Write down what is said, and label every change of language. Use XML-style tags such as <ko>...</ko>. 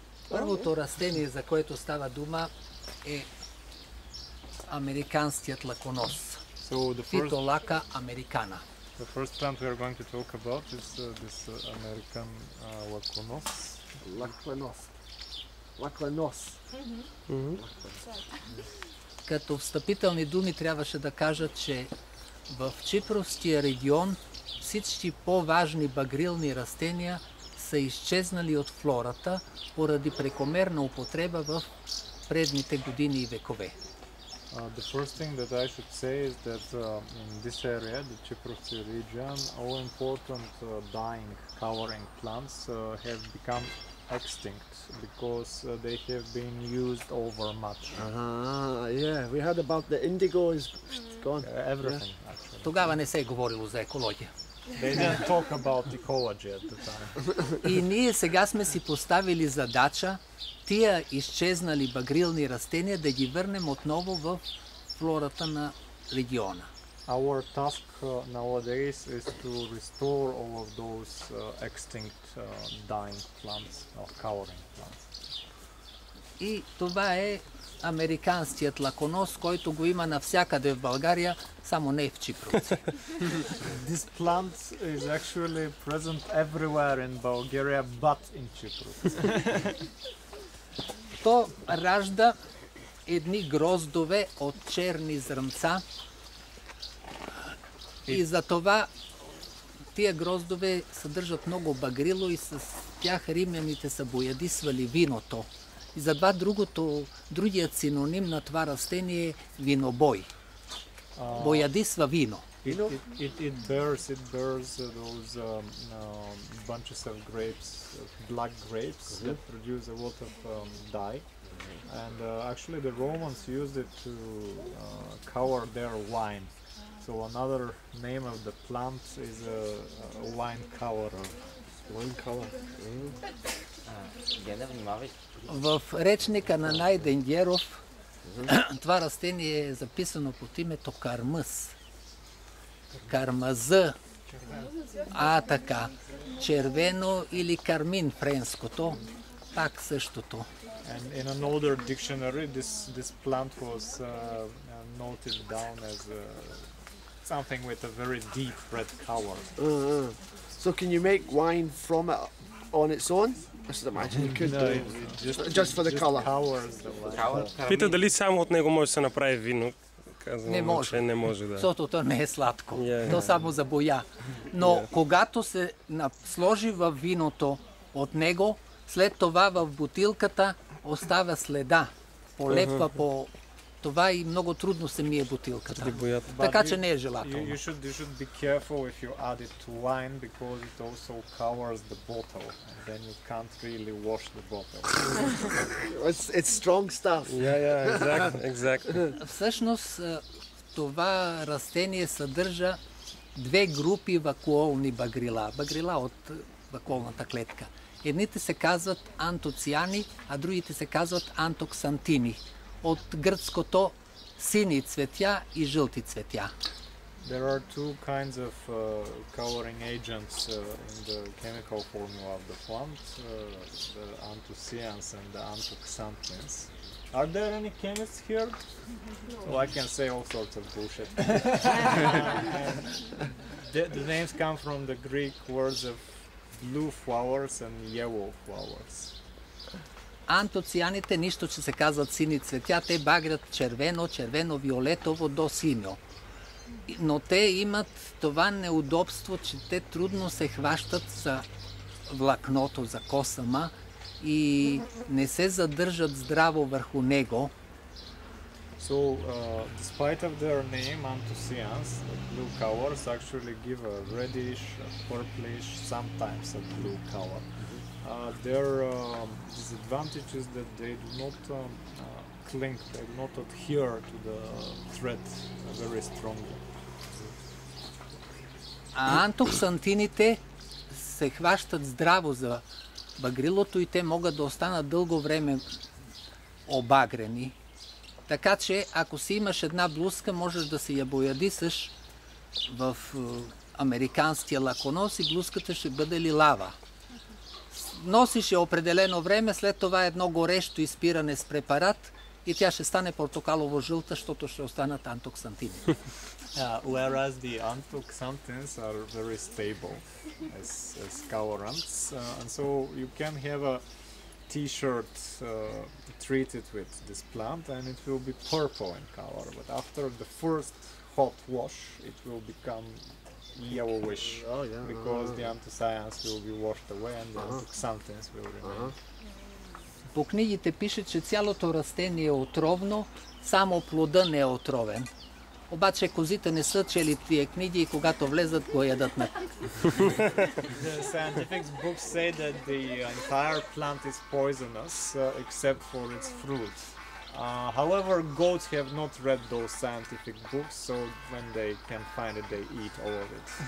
<bg>Първото растение, за което става дума, е американският лаконос.</bg> <en>So the first Phytolacca americana. The first plant we are going to talk about is this American lacunos. Lacunos. Lacunos.</en> <bg>Като встъпителни думи трябваше да кажа, че в Чипровския регион всички по-важни багрилни растения са изчезнали от флората поради прекомерна употреба в предните години и векове.</bg> <en>The first thing that I should say is that in this area, the Chipruvtsi region, all important dying covering plants have become extinct because they have been used over much. Yeah, we heard about the indigo is gone. Everything, yeah. Actually.</en> <bg>Тогава не се говорило за екология.</bg> <en>They didn't talk about ecology at the time.</en> <bg>И ние сега сме си поставили задача тия изчезнали багрилни растения да ги върнем отново в флората на региона.</bg> <en>Our task nowadays is to restore all of those extinct dying plants or cowering plants.</en> <bg>И това е американският лаконос, който го има навсякъде в България, само не в Чипровци.</bg> <en>This plant is actually present everywhere in Bulgaria but in Чипровци.</en> <bg>То ражда едни гроздове от черни зрънца и затова тия гроздове съдържат много багрило и с тях римляните са боядисвали виното. И затова другият синоним на това растение е винобой. Боядисва вино.</bg> <en>It bears those bunches of grapes, black grapes, that produce a lot of dye. And actually the Romans used it to cover their wine. So another name of the plant is a wine coverer. Wine cover.</en> <bg>В речника на Найденгеров това растение е записано под името кармъс. Кармаза, а така, червено или кармин френското, пак същото.</bg> <en>And in an older dictionary, this plant was noted down as something with a very deep red color. So can you make wine from it on its own? I should imagine you could do it. Just for the color.</en> <bg>Питат дали само от него може да се направи вино. Не може. Не може, да. Защото то не е сладко. То само за боя. Но когато се сложи в виното от него, след това в бутилката остава следа. Полепва по това и много трудно се мие бутилката. Така че не е желателно.</bg> <en>You should be careful if you add it to wine because it also covers the bottle and then you can't really wash the bottle. it's strong stuff. Yeah, exactly.</en> <bg>Всъщност това растение съдържа две групи вакуолни багрила, багрила от вакуолната клетка. Едните се казват антоциани, а другите се казват антоксантини. От гръцкото сини цветя и жълти цветя.</bg> <en>There are two kinds of coloring agents in the chemical formula of the plant, the anthocyanins and the anthoxanthins. Are there any chemists here? Well, I can say all sorts of bullshit. the names come from the Greek words of blue flowers and yellow flowers.</en> <bg>Антоцианите, нищо, че се казват сини цветя, те багрят червено, червено, виолетово до синьо. Но те имат това неудобство, че те трудно се хващат за влакното, за косама и не се задържат здраво върху него.</bg> <en>So, despite of their name, anthocyanins, blue colors actually give a reddish, purplish, sometimes a blue color. Their disadvantage is that they do not cling, they do not adhere to the thread very strongly.</en> <bg>А антоксантините се хващат здраво за багрилото и те могат да останат дълго време обагрени. Така че, ако си имаш една блузка, можеш да си я боядисаш в американския лаконос и блузката ще бъде лилава. Носиш я определено време, след това едно горещо изпиране с препарат и тя ще стане портокалово-жълта, защото ще останат антоксантини.</bg> <en>Whereas the antoxantins are very stable as colorants, and so you can have a t-shirt treated with this plant and it will be purple in color, but after the first hot wash it will become yellowish because the anthocyanins will be washed away and the antoxantins will remain.</en> <bg>По книгите пише, че цялото растение е отровно, само плода не е отровен. Обаче козите не са чели тия книги и когато влезат го ядат на.</bg> <en>The scientific books say that the entire plant is poisonous except for its fruit. However, goats have not read those scientific books, so when they can find it they eat all of it.</en>